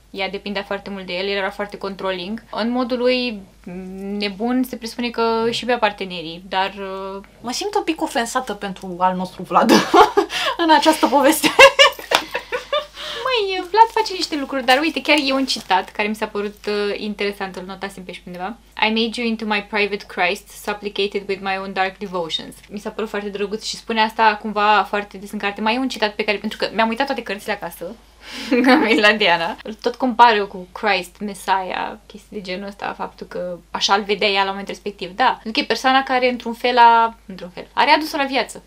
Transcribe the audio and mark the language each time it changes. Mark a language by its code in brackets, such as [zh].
[ro] Ea depindea foarte mult de el, el era foarte controlling. În modul lui nebun se presupune că își iubea partenerii, dar... Mă simt un pic ofensată pentru al nostru Vlad în această poveste. Măi, Vlad face niște lucruri, dar uite, chiar e un citat care mi s-a părut interesant, îl notasem pe și undeva. [en] I made you into my private Christ, supplicated with my own dark devotions. [ro] Mi s-a părut foarte drăguț și spune asta cumva foarte des în carte. Mai e un citat pe care, pentru că mi-am uitat toate cărțile acasă, la Diana. Tot compar eu cu Christ, Messiah, chestii de genul ăsta, faptul că așa îl vedea ea la moment respectiv. Da, pentru că e persoana care într-un fel, a readus-o la viață.